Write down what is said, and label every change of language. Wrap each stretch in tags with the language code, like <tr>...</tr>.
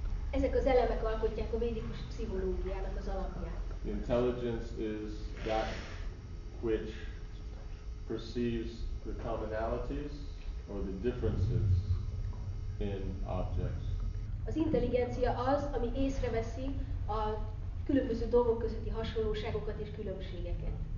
<hu>Ezek az elemek alkotják a védikus pszichológiának az alapját.</hu> <en>The intelligence is that which perceives the commonalities or the differences in objects.</en> <hu>Az intelligencia az, ami észreveszi a különböző dolgok közötti hasonlóságokat és különbségeket.</hu>